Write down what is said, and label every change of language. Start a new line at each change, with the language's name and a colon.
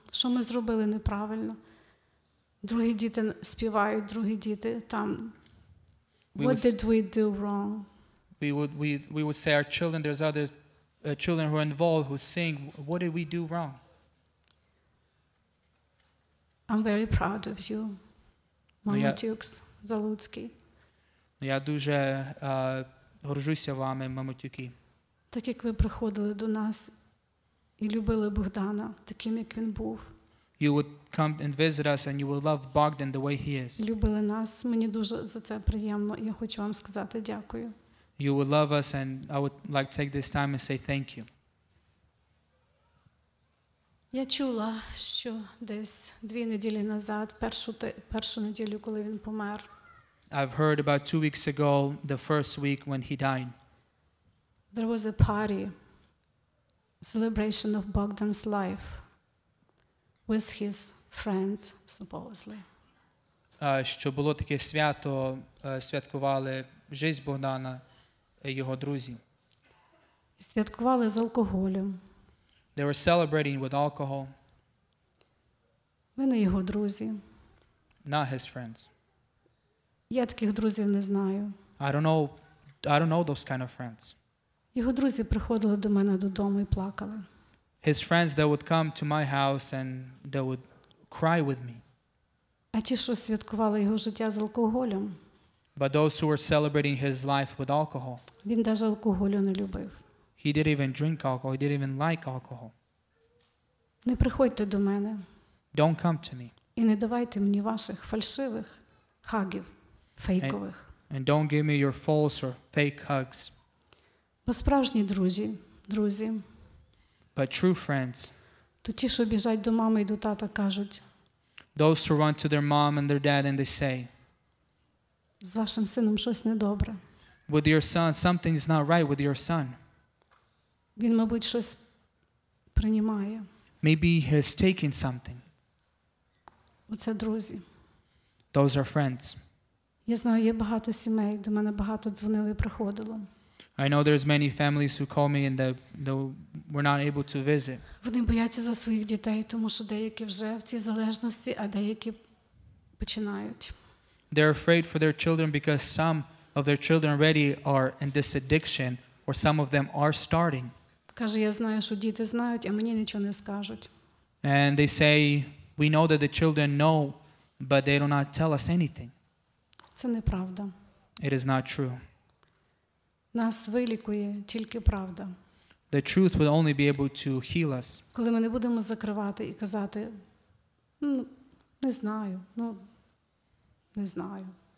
Ukrainian: Що ми зробили неправильно? Другі діти співають, другі діти там.
English: What did we do wrong? We would say our children, there's other children who are involved who sing, what did we do wrong? I'm very proud of you, Mama Tukes, Залуцький.
Ukrainian: Я дуже горжуся вами, Мамо Тюки. Так як ви приходили до нас і любили Богдана таким, як він був.
English: You would come and visit us and you would love Bogdan the way he is.
Ukrainian: Любили нас, мені дуже за це приємно, я хочу вам сказати дякую.
English: You would love us and I would like to take this time and say thank you.
Ukrainian: Я чула, що десь дві неділі назад, першу неділю, коли він помер.
English: I've heard about 2 weeks ago, the first week when he died. There was a party, celebration of Bogdan's life with his friends, supposedly.
Ukrainian: Що було таке свято, святкували життя Богдана і його друзі. Святкували з алкоголем.
English: They were celebrating with alcohol.
Ukrainian: Ви не його друзі.
English: Not his friends.
Ukrainian: Я таких друзів не знаю.
English: I don't know those kind of friends.
Ukrainian: Його друзі приходили до мене додому і плакали.
English: His friends that would come to my house and they would cry with me.
Ukrainian: А ті, що святкували його життя з алкоголем.
English: But those who were celebrating his life with alcohol.
Ukrainian: Він даже алкоголю не любив.
English: He didn't even drink alcohol. He didn't even like alcohol.
Ukrainian: Не приходьте до мене.
English: Don't come to me.
Ukrainian: І не давайте мені ваших фальшивих хагів, фейкових.
English: And don't give me your false or fake hugs.
Ukrainian: Бо справжні друзі, друзі.
English: But true friends.
Ukrainian: То ті, що біжать до мами і до тата, кажуть.
English: Those who run to their mom and their dad and they say.
Ukrainian: З вашим сином щось недобре.
English: With your son, something is not right with your son.
Ukrainian: Він, мабуть, щось приймає.
English: Maybe he has taken something.
Ukrainian: Оце друзі.
English: Those are friends.
Ukrainian: Я знаю, є багато сімей, до мене багато дзвонили і приходило.
English: I know there's many families who call me and they were not able to visit.
Ukrainian: Вони бояться за своїх дітей, тому що деякі вже в цій залежності, а деякі починають.
English: They're afraid for their children because some of their children already are in this addiction or some of them are starting.
Ukrainian: Каже, я знаю, що діти знають, а мені нічого не скажуть.
English: And they say, we know that the children know, but they do not tell us anything.
Ukrainian: Це неправда.
English: It is not true.
Ukrainian: Нас вилікує тільки правда.
English: The truth would only be able to heal us.
Ukrainian: Коли ми не будемо закривати і казати, не знаю, не знаю.